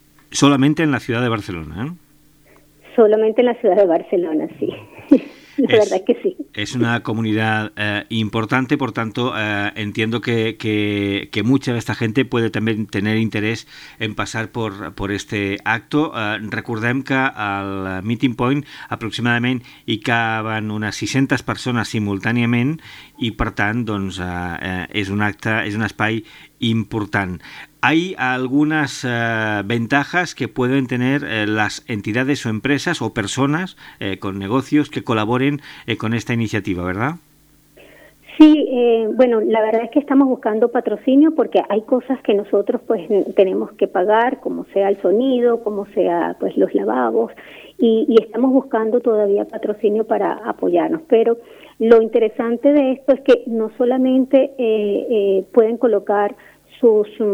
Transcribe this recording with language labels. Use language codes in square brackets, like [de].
[es] Solamente en la ciudad de Barcelona, Solamente en la ciudad de Barcelona, sí. La verdad es que sí. Es una comunidad importante, por tanto, entiendo que mucha de esta gente puede también tener interés en pasar por este acto. [ca] Recordem que al Meeting Point aproximadament hi caben unes 600 persones simultàniament i, per tant, doncs, és un espai important. [es] ¿Hay algunas ventajas que pueden tener las entidades o empresas o personas con negocios que colaboren con esta iniciativa, verdad? Sí, la verdad es que estamos buscando patrocinio porque hay cosas que nosotros pues tenemos que pagar, como sea el sonido, como sea pues los lavabos, y estamos buscando todavía patrocinio para apoyarnos, pero lo interesante de esto es que no solamente pueden colocar su